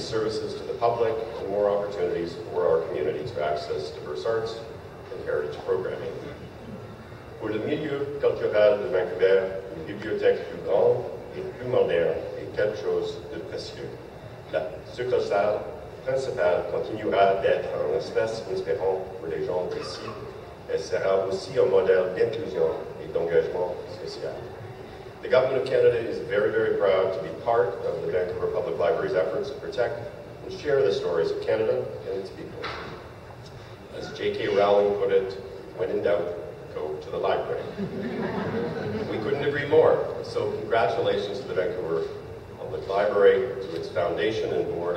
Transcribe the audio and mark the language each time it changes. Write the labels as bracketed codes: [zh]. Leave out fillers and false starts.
[en] Services to the public and more opportunities for our community to access diverse arts and heritage programming. [fr] pour le milieu culturel de Vancouver, une bibliothèque plus grande et plus moderne est quelque chose de précieux. La succursale principale continuera d'être un espace inspirant pour les gens d'ici. Elle sera aussi un modèle d'inclusion et d'engagement social. [en] The government of Canada is very, very proud to be part of the Vancouver Public Library's efforts to protect and share the stories of Canada and its people. As J.K. Rowling put it, when in doubt, go to the library. We couldn't agree more, so congratulations to the Vancouver Public Library, to its foundation and board.